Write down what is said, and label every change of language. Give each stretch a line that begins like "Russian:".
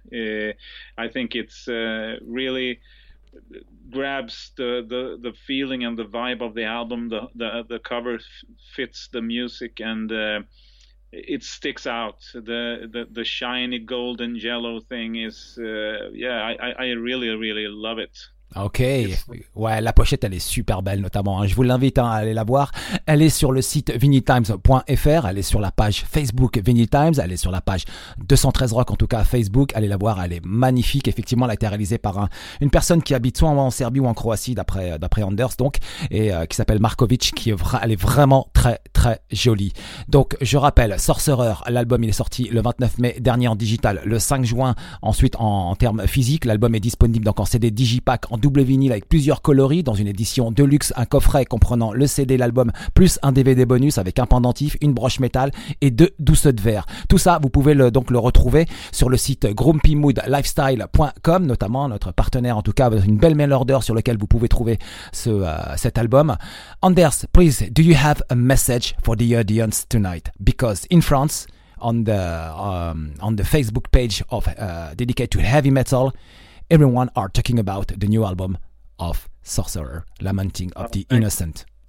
English: I think it's really grabs the feeling and the vibe of the album. The cover fits the music, and it sticks out. The shiny golden yellow thing is I really really love it.
French: Ok, ouais, la pochette elle est super belle notamment, hein. Je vous l'invite, hein, à aller la voir. Elle est sur le site vinyltimes.fr, elle est sur la page Facebook vinyltimes, elle est sur la page 213 Rock en tout cas Facebook, allez la voir, elle est magnifique. Effectivement elle a été réalisée par une personne qui habite soit en Serbie ou en Croatie d'après Anders, donc, et qui s'appelle Marković, elle est vraiment très très très joli. Donc je rappelle, Sorcerer, l'album il est sorti le 29 mai dernier en digital, le 5 juin ensuite en termes physiques. L'album est disponible donc en CD Digipack, en double vinyle avec plusieurs coloris, dans une édition deluxe, un coffret comprenant le CD, l'album, plus un DVD bonus avec un pendentif, une broche métal et deux douceux de verre. Tout ça, vous pouvez le retrouver sur le site grumpymoodlifestyle.com, notamment notre partenaire, en tout cas une belle mail order sur lequel vous pouvez trouver cet album.
English: Anders, please, do you have a message for the audience tonight? Because in France, on the Facebook page of dedicated to heavy metal, everyone are talking about the new album of Sorcerer, Lamenting of the Innocent.